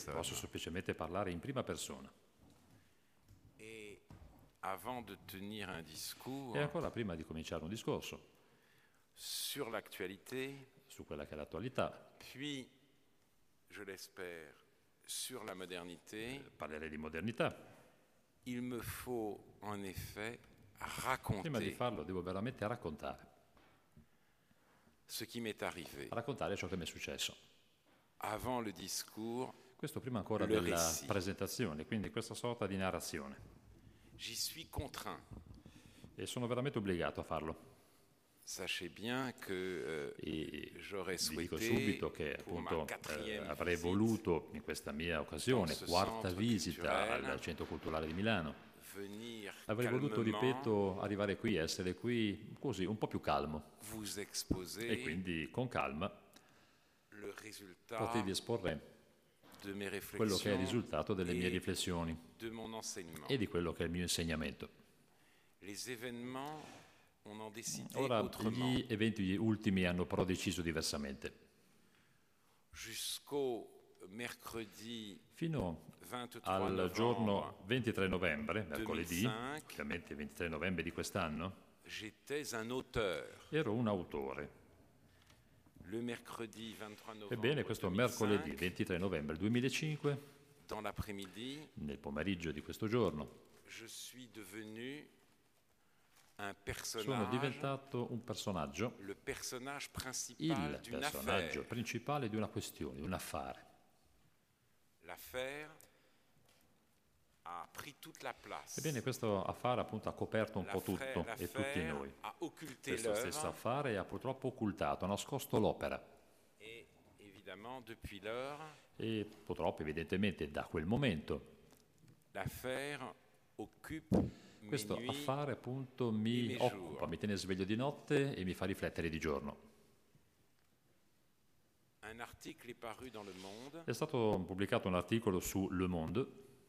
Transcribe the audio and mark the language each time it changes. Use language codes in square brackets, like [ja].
[it] posso semplicemente parlare in prima persona. [fr] Avant de tenir un discours, [it] e ancora prima di cominciare un discorso [fr] sur l'actualité, [it] su quella che è l'attualità, [fr] puis, je l'espère, sur la modernité, [it] parlerei di modernità, [fr] il me faut en effet raconter, [it] prima di farlo devo veramente raccontare [fr] ce qui m'est arrivé, [it] raccontare ciò che mi è successo [fr] avant le discours, [it] questo prima ancora [fr] le [it] della [fr] récit. [it] Presentazione, quindi questa sorta di narrazione. [fr] J'y suis contraint. [it] E sono veramente obbligato a farlo. [fr] Sachez bien que j'aurais souhaité, [it] dico subito che appunto avrei voluto in questa mia occasione, quarta visita al Centro Culturale di Milano, [fr] venir [it] avrei voluto, ripeto, arrivare qui, essere qui così, un po' più calmo. [fr] Vous exposer [it] e quindi con calma [fr] le risultat [it] potevi esporre [fr] de mes réflexions, [it] quello che è il risultato delle mie riflessioni [fr] de mon enseignement [it] e di quello che è il mio insegnamento. [fr] Les événements, on en décidait [it] ora [fr] autrement. [it] Gli eventi ultimi hanno però deciso diversamente. [fr] Jusqu'au mercredi [it] fino [fr] 23 [it] al [fr] novembre, [it] giorno 23 novembre, mercoledì [fr] 2005, [it] ovviamente 23 novembre di quest'anno, [fr] j'étais un auteur. [it] Ero un autore. [fr] Le mercredi 23 novembre, [it] ebbene, questo [fr] 2005, [it] mercoledì 23 novembre 2005, [fr] dans l'après-midi, [it] nel pomeriggio di questo giorno, [fr] je suis devenu un personnage, [it] sono diventato un personaggio, [fr] le personnage principal [it] il [fr] d'une [it] personaggio [fr] affaire. [it] Principale di una questione, di un affare. [fr] L'affaire a pris toute la place. [it] Ebbene, questo affare appunto ha coperto un [fr] l'affaire, [it] po' tutto e tutti noi. [fr] A occulté [it] questo [fr] l'oeuvre, [it] stesso affare ha purtroppo occultato, ha nascosto l'opera. [fr] Et évidemment, depuis l'heure, [it] e purtroppo, evidentemente, da quel momento [fr] l'affaire occupe [it] questo [fr] mes nuits, [it] affare appunto mi occupa, [fr] jours. [it] Mi tiene sveglio di notte e mi fa riflettere di giorno. [fr] Un article est paru dans Le Monde. [it] È stato pubblicato un articolo su Le Monde.